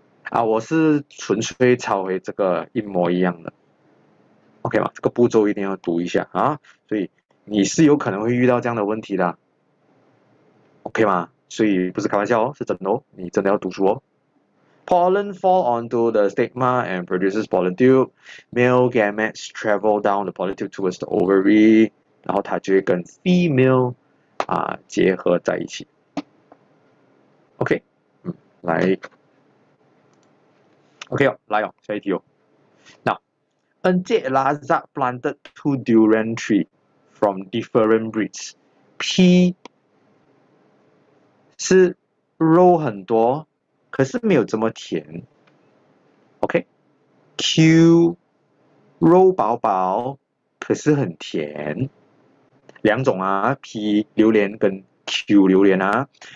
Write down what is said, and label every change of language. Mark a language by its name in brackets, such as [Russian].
[Chinese] 啊，我是纯粹抄回这个一模一样的。 OK 吗？这个步骤一定要读一下啊，所以你是有可能会遇到这样的问题的。 OK 吗？所以不是开玩笑哦，是真的哦，你真的要读书哦。 [English] Pollen fall onto the stigma and produces pollen tube. Male gametes travel down the pollen tube towards the ovary. [Chinese] 然后它就会跟 female 结合在一起。 OK，来。 OK 哦，来哦，下一题哦。 [English] Enzelaza planted two durian tree from different breeds. [Chinese] P 是肉很多，可是没有这么甜。 OK，Q 肉薄薄，可是很甜。两种啊，P 榴莲跟 Q 榴莲啊。